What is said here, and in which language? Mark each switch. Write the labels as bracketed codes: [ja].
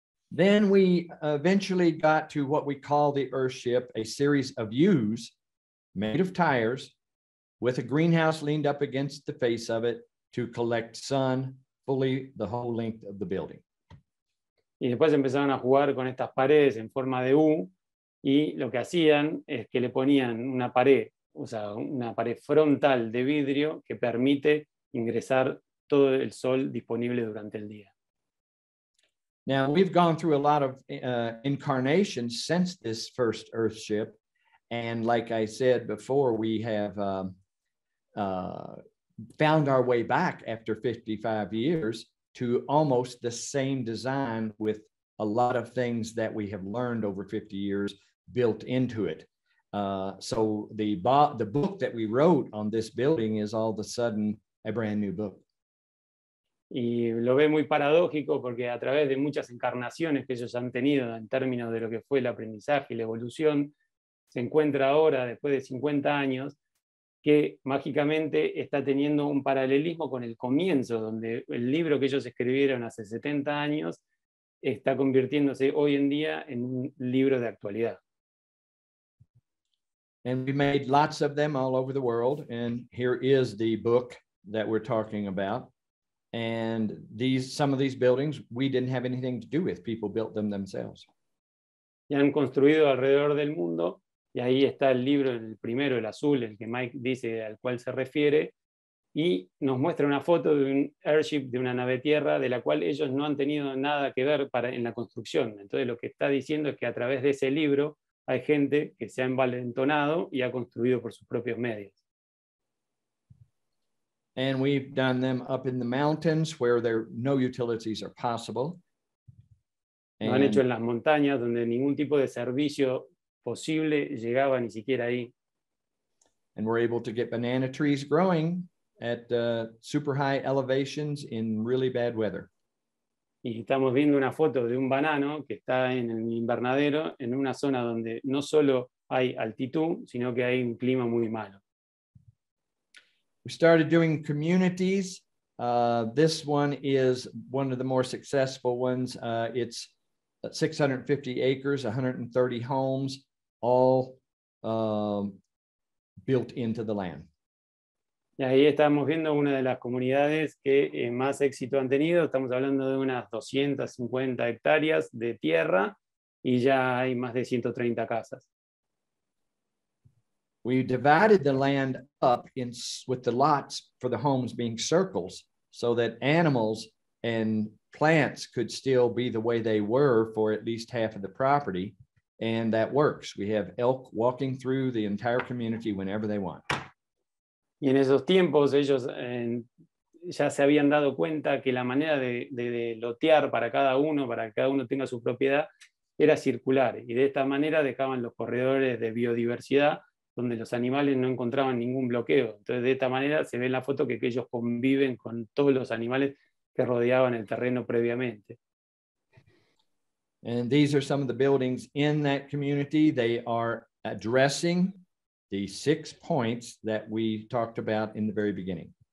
[en] Then we eventually got to what we call the Earthship, a series of U's made of tires, with a greenhouse leaned up against the face of it, to collect sun fully the whole length of the building. [es] Y después empezaron a jugar con estas paredes en forma de U y lo que hacían es que le ponían una pared, o sea, una pared frontal de vidrio que permite ingresar todo el sol disponible durante el día. [en] Now we've gone through a lot of incarnations since this first Earthship, and like I said before, we have found our way back after 55 years to almost the same design with a lot of things that we have learned over 50 years built into it. So the book that we wrote on this building is all of a sudden a brand new book. [es] Y lo ve muy paradójico porque a través de muchas encarnaciones que ellos han tenido en términos de lo que fue el aprendizaje y la evolución, se encuentra ahora, después de 50 años, que mágicamente está teniendo un paralelismo con el comienzo, donde el libro que ellos escribieron hace 70 años está convirtiéndose hoy en día en un libro de actualidad. [en] And we made lots of them all over the world, and here is the book that we're talking about. And some of these buildings we didn't have anything to do with. People built them themselves. [es] Y han construido alrededor del mundo. Y ahí está el libro, el primero, el azul, el que Mike dice al cual se refiere, y nos muestra una foto de un airship, de una nave tierra, de la cual ellos no han tenido nada que ver en la construcción. Entonces lo que está diciendo es que a través de ese libro hay gente que se ha envalentonado y ha construido por sus propios medios. [en] And we've done them up in the mountains where there no utilities are possible. [es] Lo han hecho en las montañas donde ningún tipo de servicio posible llegaba ni siquiera ahí. [en] And we're able to get banana trees growing at super high elevations in really bad weather. [es] Y estamos viendo una foto de un banano que está en el invernadero en una zona donde no solo hay altitud, sino que hay un clima muy malo. [en] We started doing communities. This one is one of the more successful ones. It's 650 acres, 130 homes. All built into the land. [es] Y ahí estamos viendo una de las comunidades que más éxito han tenido. Estamos hablando de unas 250 hectáreas de tierra y ya hay más de 130 casas. [en] We divided the land up with the lots for the homes being circles so that animals and plants could still be the way they were for at least half of the property. And that works. We have elk walking through the entire community whenever they want. [es] Y en esos tiempos ellos ya se habían dado cuenta que la manera de lotear para que cada uno tenga su propiedad, era circular. Y de esta manera dejaban los corredores de biodiversidad donde los animales no encontraban ningún bloqueo. Entonces de esta manera se ve en la foto que ellos conviven con todos los animales que rodeaban el terreno previamente. [en] And these are some of the buildings in that community. They are addressing the 6 points that we talked about in the very beginning.